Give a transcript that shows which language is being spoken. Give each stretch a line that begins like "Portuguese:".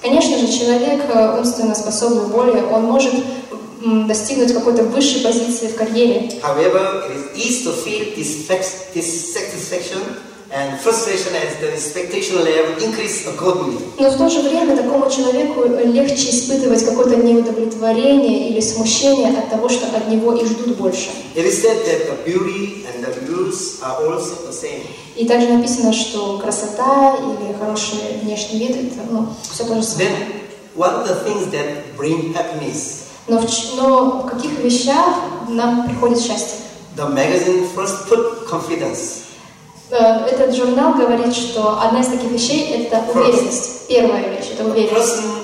Russian: Конечно же, человек умственно способный более, он может достигнуть какой-то высшей позиции в карьере.
English: However, it is easy to feel dissatisfaction and frustration as the expectation level increases accordingly.
Russian: Но в то же время такому человеку легче испытывать какое-то неудовлетворение или смущение от того, что от него и ждут больше.
English: It is said that the beauty and the views are also the same.
Russian: И также написано, что красота или хороший внешний вид, это, ну, все то же самое.
English: Then, what are the things that bring happiness?
Russian: Но в каких вещах нам приходит счастье?
English: The magazine first put confidence.
Russian: Этот журнал говорит, что одна из таких вещей – это уверенность. Первая вещь – это уверенность.